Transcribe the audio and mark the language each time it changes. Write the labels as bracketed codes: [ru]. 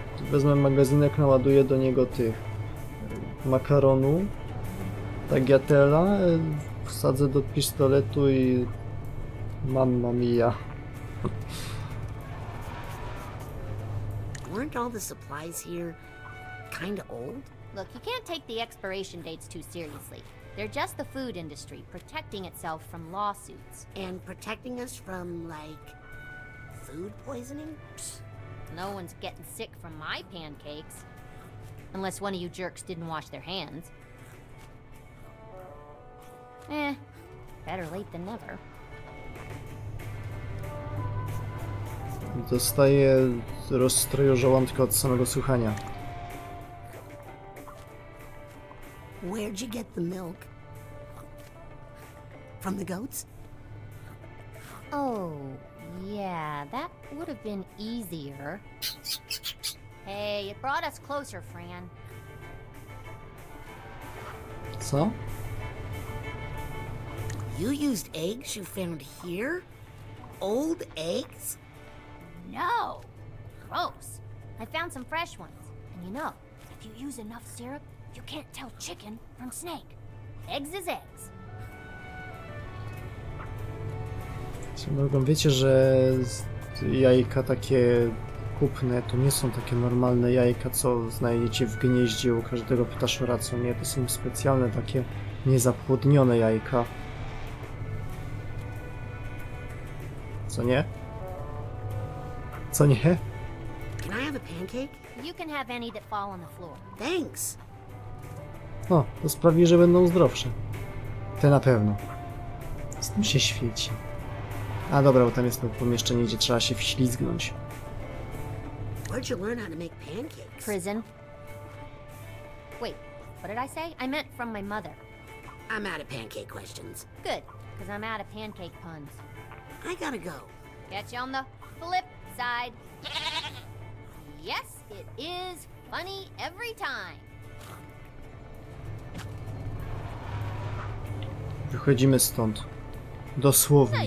[pl] Wezmę magazynek, naładuję do niego tych makaronu, tagliatella, wsadzę do pistoletu i mamma mia. [en] Weren't all the supplies here kind of old? Look, you can't take the expiration dates too seriously. They're just the food industry protecting itself from lawsuits. And protecting us from, like, food poisoning? No one's getting sick from my pancakes. Unless one of you jerks didn't wash their hands. Eh, better late than never. [pl] Dostaję rozstroju żołądka od samego słuchania. [en] Where'd you get the milk? From the goats? Oh, yeah, that would have been easier. Hey, it brought us closer, Fran. So? You used eggs you found here? Old eggs? No! Gross! I found some fresh ones. And you know, if you use enough syrup, you can't tell chicken from snake. Eggs is eggs. [pl] Co mogą, wiecie, że jajka takie kupne to nie są takie normalne jajka, co znajdziecie w gnieździe u każdego ptaszora, co nie? To są specjalne takie niezapłodnione jajka. Co nie? Co nie? [en] Can I have a pancake? You can have any that fall on the floor. Thanks. [pl] O, to sprawi, że będą zdrowsze. Te na pewno. Z tym się świeci. A dobra, bo tam jest to pomieszczenie, gdzie trzeba się wślizgnąć. [en] Where'd you learn how to make pancakes? Prison. Wait, what did I say? I meant from my mother. I'm out of pancake questions. Good, because I'm out of pancake puns. I gotta go. Catch you on the flip side. Yes, it is funny every time. [pl] Wychodzimy stąd. Dosłownie.